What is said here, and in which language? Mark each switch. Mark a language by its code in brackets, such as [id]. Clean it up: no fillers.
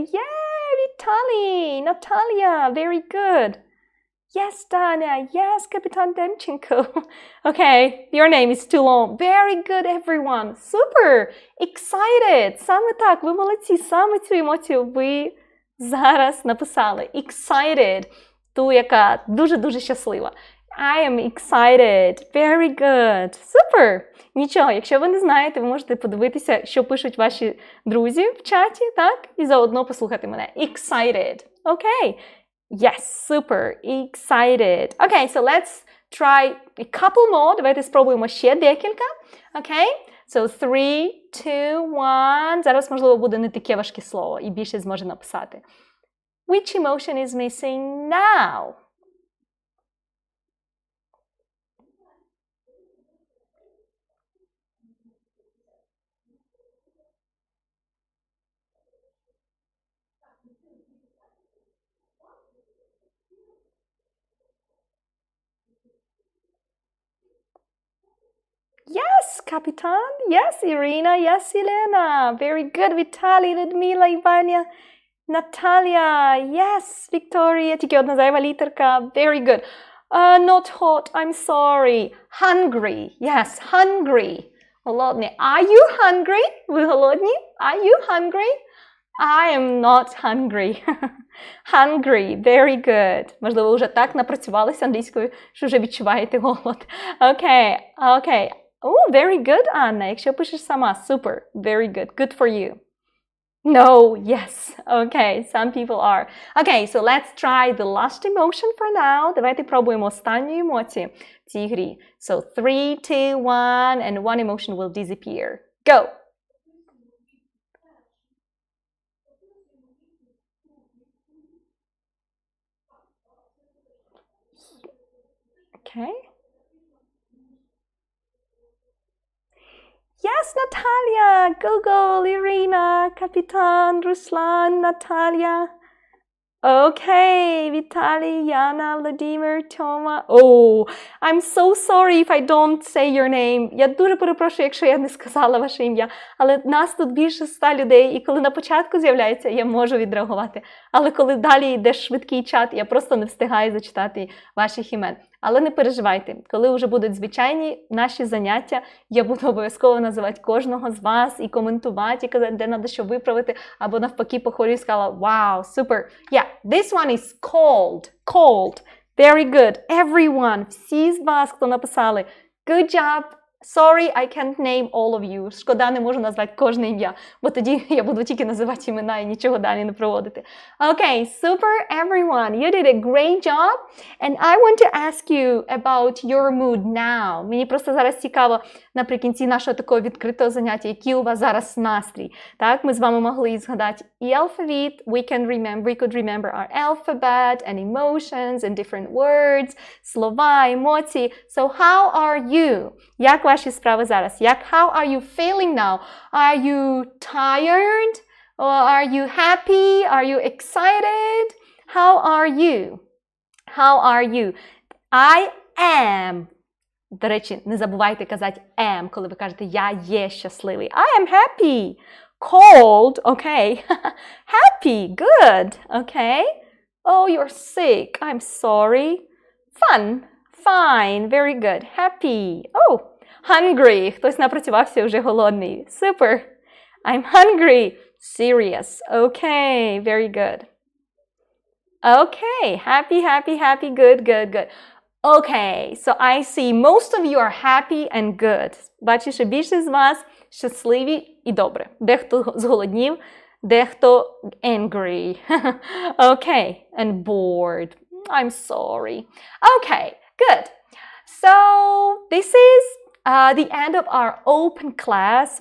[en] Yeah, Віталій, Наталія, very good. Yes, Таня, yes, капітан Демченко. Okay, your name is too long. Very good, everyone. Super, excited. [uk] Саме так, ви молодці, саме цю емоцію ви зараз написали. Excited, ту, яка дуже-дуже щаслива. [en] I am excited. Very good. Super. [uk] Нічого, якщо ви не знаєте, ви можете подивитися, що пишуть ваші друзі в чаті, так? І заодно послухати мене. [en] Excited. Okay. Yes, super. Excited. Okay, so let's try a couple more. [uk] Давайте спробуємо ще декілька. [en] Okay? So 3, 2, 1. [uk] Зараз, можливо, буде не таке важке слово і більше зможе написати. [en] Which emotion is missing now? Yes, Капітан. Yes, Ірина. Yes, Елена. Very good, Віталій, Людмила, Іваня, Наталія. [uk] Yes, Вікторія. Тільки одна зайва літерка. [en] Very good. Not hot, I'm sorry. Hungry. Yes, hungry. [uk] Голодні. [en] Are you hungry? [uk] Ви голодні? [en] Are you hungry? I am not hungry. Hungry. Very good. [uk] Можливо, вже так напрацювалися англійською, що вже відчуваєте голод. [en] Okay, okay. Oh, very good, Anna. [uk] Якщо пишеш сама, super. [en] Very good. Good for you. No, yes. Okay, some people are. Okay, so let's try the last emotion for now. [uk] Давайте пробуємо останню емоцію в цій грі. [en] So 3, 2, 1, and one emotion will disappear. Go! Okay. Yes, Natalia, Google, Irina, Capitan, Ruslan, Natalia. Okay, Vitali, Jana, Vladimir, Toma. Oh, I'm so sorry if I don't say your name. [uk] Я дуже перепрошую, якщо я не сказала ваше ім'я. Але нас тут більше 100 людей, і коли на початку з'являється, я можу відреагувати. Але коли далі йде швидкий чат, я просто не встигаю зачитати ваших імен. Але не переживайте, коли вже будуть звичайні наші заняття, я буду обов'язково називати кожного з вас і коментувати, і казати, де треба що виправити, або навпаки похвалю і сказала, вау, супер. [en] Yeah, this one is called, called. Very good. [uk] Everyone, всі з вас, хто написали, [en] good job. Sorry, I can't name all of you. [uk] Шкода, не можу назвати кожне ім'я, бо тоді я буду тільки називати імена і нічого далі не проводити. [en] Okay, super everyone. You did a great job. And I want to ask you about your mood now. [uk] Мені просто зараз цікаво, наприкінці нашого такого відкритого заняття, який у вас зараз настрій. Так, ми з вами могли згадати і алфавіт. [en] We can remember, we could remember our alphabet and emotions and different words, [uk] слова, емоції. [en] So how are you? [uk] Як ваші справи зараз? [en] Як, how are you feeling now? Are you tired? Or are you happy? Are you excited? How are you? How are you? I am. [uk] До речі, не забувайте казати am, коли ви кажете, я є щасливий. [en] I am happy. Cold, okay. Happy, good, okay. Oh, you're sick. I'm sorry. Fun, fine, very good. Happy. Oh, hungry. [uk] Хтось напрацювався, вже голодний. [en] Super. I'm hungry. Serious. Okay, very good. Okay, happy, happy, happy, good, good, good. Okay, so I see most of you are happy and good. [uk] Бачу, що більше з вас щасливі і добре. Дехто зголоднів, дехто angry. [en] Okay, and bored. I'm sorry. Okay, good. So, this is The end of our open class.